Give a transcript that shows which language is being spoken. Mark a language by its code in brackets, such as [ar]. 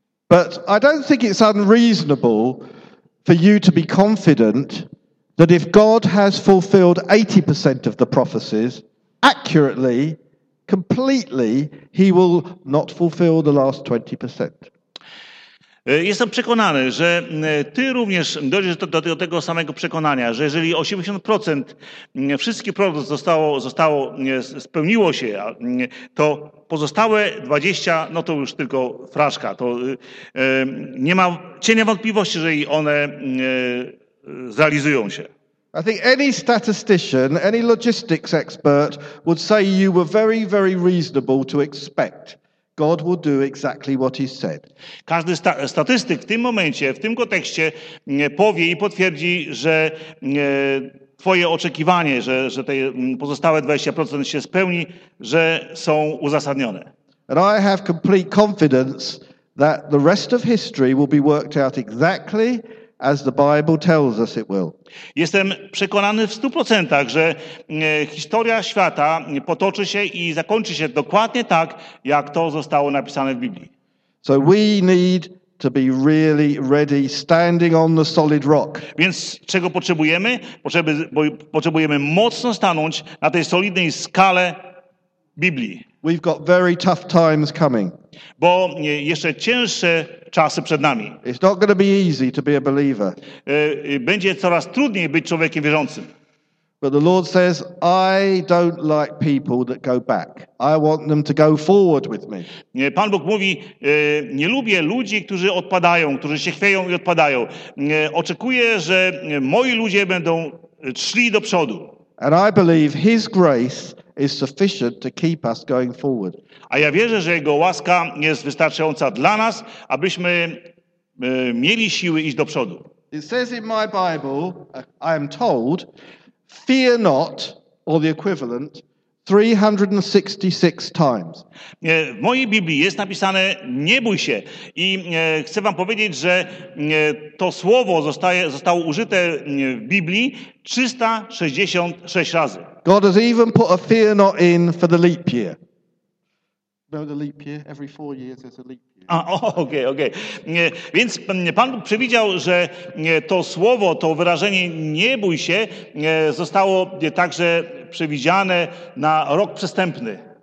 [en] But I don't think it's unreasonable for you to be confident that if God has fulfilled 80% of the prophecies accurately, completely, he will not fulfill the last 20%. [pl] Jestem przekonany, że ty również dojdziesz do tego samego przekonania, że jeżeli 80% wszystkich proroctw zostało spełniło się, to pozostałe 20, no to już tylko fraszka. To nie ma cienia wątpliwości, że i one zrealizują się. [en] I think any statistician, any logistics expert would say you were very, very reasonable to expect God will do exactly what he said. [pl] Każdy statystyk w tym momencie, w tym kontekście powie i potwierdzi, że twoje oczekiwanie, że te pozostałe 20% się spełni, że są uzasadnione. [en] And I have complete confidence that the rest of history will be worked out exactly as the Bible tells us it will. [pl] Jestem przekonany w 100%, że historia świata potoczy się i zakończy się dokładnie tak, jak to zostało napisane w Biblii. [en] So we need to be really ready, standing on the solid rock. [pl] Więc czego potrzebujemy? Potrzebujemy mocno stanąć na tej solidnej skale Biblii. [en] We've got very tough times coming. [pl] Bo jeszcze cięższe czasy przed nami. [en] It's not going to be easy to be a believer. [pl] Będzie coraz trudniej być człowiekiem wierzącym. [en] But the Lord says, I don't like people that go back. I want them to go forward with me. [pl] Pan Bóg mówi, nie lubię ludzi, którzy odpadają, którzy się chwieją i odpadają. Oczekuję, że moi ludzie będą szli do przodu. [en] And I believe his grace is sufficient to keep us going forward. [pl] A ja wierzę, że jego łaska jest wystarczająca dla nas, abyśmy mieli siły iść do przodu. [en] It says in my Bible, I am told, fear not, or the equivalent, 366 times. [pl] W mojej Biblii jest napisane nie bój się. I chcę wam powiedzieć, że to słowo zostało użyte w Biblii 366 razy. [en] God has even put a fear not in for the leap year. No, the leap year. Every 4 years there's a leap year. [pl] Okej. Więc Pan przewidział, że to słowo, to wyrażenie nie bój się zostało także przewidziane na rok przestępny.